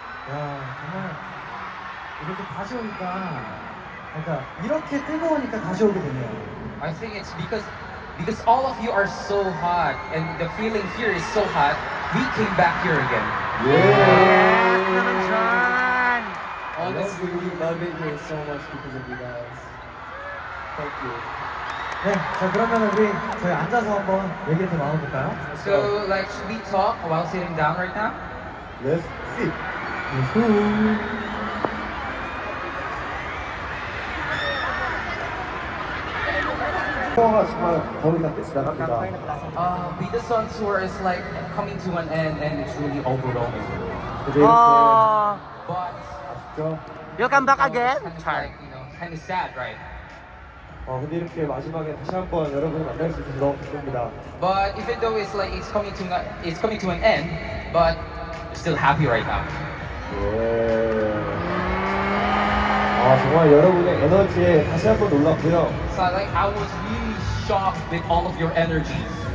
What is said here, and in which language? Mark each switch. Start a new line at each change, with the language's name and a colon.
Korean: 야, 정말 이렇게 다시 오니까, 그러니까 이렇게 뜨거우니까 다시 오게 되네요.
English: I think it's because all of you are so hot and the feeling here is so hot, we came back here again. Yeah. Honestly, we love it here so much because of you guys. Thank you.
Korean: 네, 자 그러면 우리 저희 앉아서 한번 얘기 좀 나눠볼까요?
English: So, like, should we talk while sitting down right now? Let's see. Let's see.
Korean: 정말 더위가 됐다 합니다.
English: The sun tour is like coming to an end and it's really overwhelming.
Korean: 아쉽죠?
English: Welcome back again. Kind of sad, right?
Korean: 근데 이렇게 마지막에 다시 한번 여러분을 만날 수 있어서 너무 기쁩니다.
English: But even though it's like it's coming to an end, but still happy right now.
Korean: 예. 정말 여러분의 에너지에 다시 한번 놀랐고요.
English: So like I was really shocked with all of your energies.